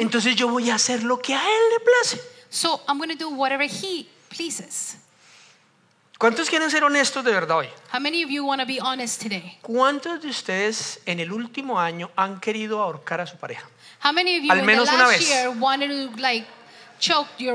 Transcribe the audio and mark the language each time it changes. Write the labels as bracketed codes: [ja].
[es] Entonces yo voy a hacer lo que a él le place. [en] So I'm going to do whatever he pleases. [es] ¿Cuántos quieren ser honestos de verdad hoy? [en] How many of you want to be honest today? [es] ¿Cuántos de ustedes en el último año han querido ahorcar a su pareja? [en] How many of you [es] al menos [en] in the last [es] vez? [en] Year wanted to like choke your